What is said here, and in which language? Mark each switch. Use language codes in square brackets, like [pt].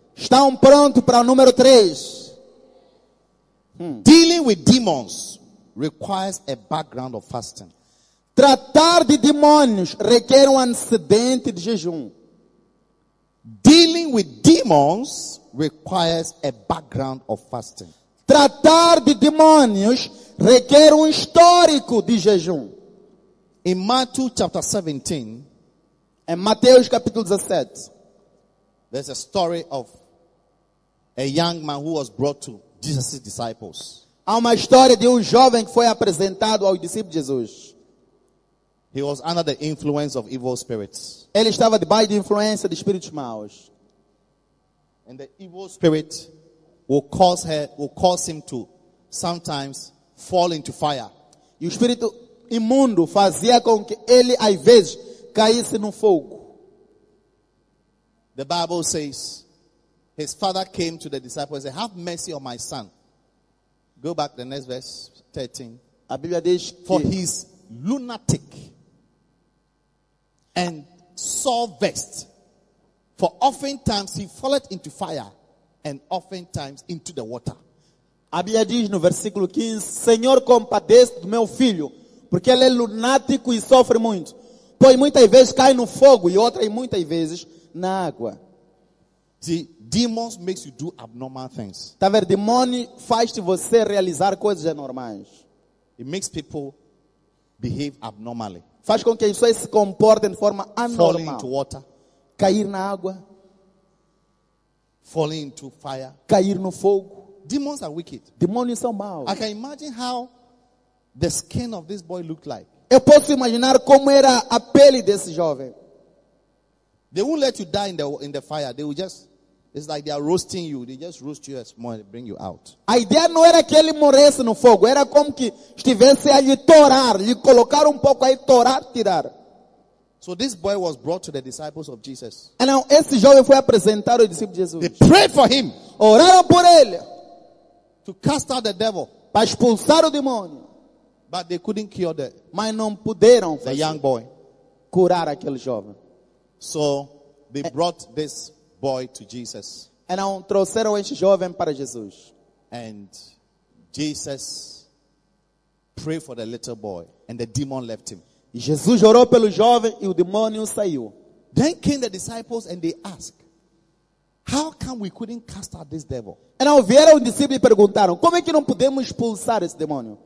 [pt] Estão prontos para o número 3? [en] Dealing with demons requires a background of fasting. [pt] Tratar de demônios requer um antecedente de jejum. [en] Dealing with demons requires a background of fasting. [pt] Tratar de demônios requer um histórico de jejum. [en] In Matthew chapter 17, [pt] em Mateus capítulo 17, [en] there's a story of a young man who was brought to Jesus' disciples. [pt] Há uma história de jovem que foi apresentado aos discípulos de Jesus. [en] He was under the influence of evil spirits. [pt] Ele estava debaixo da influência de espíritos maus. [en] And the evil spirit will cause him to sometimes fall into fire. [pt] E o espírito imundo fazia com que ele às vezes caísse no fogo. [en] The Bible says his father came to the disciples and said, "Have mercy on my son." Go back to the next verse, 13. [pt] A Bíblia diz que, [en] for he's lunatic and sore vexed. For oftentimes he falleth into fire and oftentimes into the water. [pt] A Bíblia diz no versículo 15, Senhor, compadece do meu filho, porque ele é lunático e sofre muito. Pois muitas vezes cai no fogo e outras muitas vezes na água. [en] See, demons makes you do abnormal things. [pt] Tá vendo? Demônio faz de você realizar coisas anormais. [en] It makes people behave abnormally. [pt] Faz com que as pessoas se comportem de forma anormal. [en] Falling into water. [pt] Cair na água. [en] Falling into fire. [pt] Cair no fogo. [en] Demons are wicked. [pt] Demônios são maus. [en] I can imagine how the skin of this boy looked like. [pt] Eu posso imaginar como era a pele desse jovem. [en] They won't let you die in the fire. They will just, it's like they are roasting you. They just roast you as more and bring you out. [pt] A ideia não era que ele morresse no fogo. Era como que estivesse a lhe torar, lhe colocar pouco aí, torar, tirar. [en] So this boy was brought to the disciples of Jesus. And now, [pt] esse jovem foi apresentado ao discípulo de Jesus. [en] They prayed for him. [pt] Oraram por ele. [en] To cast out the devil. [pt] Para expulsar o demônio. [en] But they couldn't cure the, [pt] mas não puderam [en] the young boy. [pt] Curar aquele jovem. [en] So they brought this boy to Jesus. [pt] Então trouxeram este jovem para Jesus. [en] And Jesus prayed for the little boy and the demon left him. [pt] E Jesus orou pelo jovem e o demônio saiu. [en] Then came the disciples and they asked, How come we couldn't cast out this devil? [pt] Então vieram os discípulos e perguntaram: como é que não podemos expulsar esse demônio?